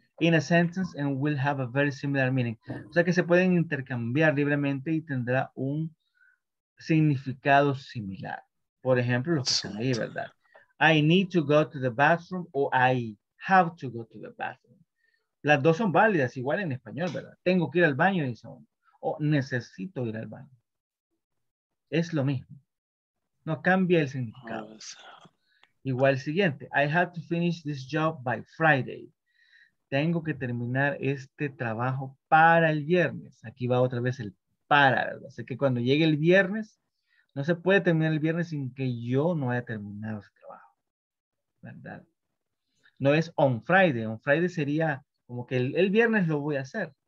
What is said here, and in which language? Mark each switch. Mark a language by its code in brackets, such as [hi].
[en] In a sentence and will have a very similar meaning. [es] O sea, que se pueden intercambiar libremente y tendrá un significado similar. Por ejemplo, lo que están ahí, ¿verdad? [en] I need to go to the bathroom o I have to go to the bathroom. [es] Las dos son válidas, igual en español, ¿verdad? Tengo que ir al baño, dice uno. O necesito ir al baño. Es lo mismo. No cambia el significado. Igual siguiente. [en] I have to finish this job by Friday. [es] Tengo que terminar este trabajo para el viernes. Aquí va otra vez el para, ¿verdad? Así que cuando llegue el viernes, no se puede terminar el viernes sin que yo no haya terminado este trabajo, ¿verdad? No es on Friday. On Friday sería como que el viernes lo voy a hacer.